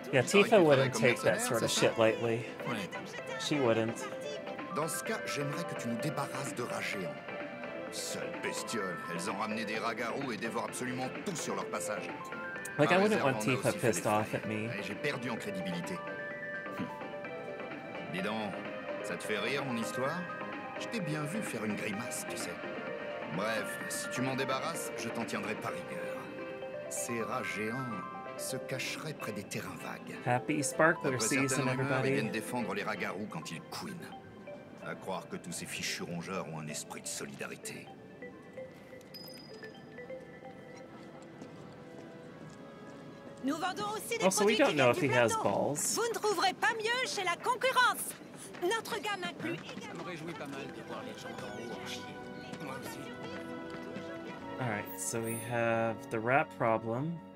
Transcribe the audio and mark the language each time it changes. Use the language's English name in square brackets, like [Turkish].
[English] Yeah, Tifa wouldn't take that sort of shit lightly. She wouldn't. [French] Dans ce cas, j'aimerais que tu nous débarrasses de rats géants. Sales bestioles, elles ont ramené des rats garous et dévorent absolument tout sur leur passage. [English] Like, I wouldn't want Tifa pissed off at me. [French] J'ai perdu en crédibilité. Dis donc, ça te fait rire, mon histoire? Je t'ai bien vu faire une grimace, tu sais. Bref, si tu m'en débarrasses, je t'en tiendrai par rigueur. Ces rats géants se cacheraient près des terrains vagues. [English] Happy sparkler season, everybody. [French] Ils viennent défendre les rats garous quand ils couinent. À croire que tous ces fichus rongeurs ont un esprit de solidarité. Nous vendons aussi des produits qui viennent du plateau. [English] He has balls. [French] Vous ne trouverez pas mieux chez la concurrence. Notre gamme inclut également... Ça me réjouit pas mal de voir les gens d'en haut en chier. Moi aussi. [English] All right, so we have the rat problem.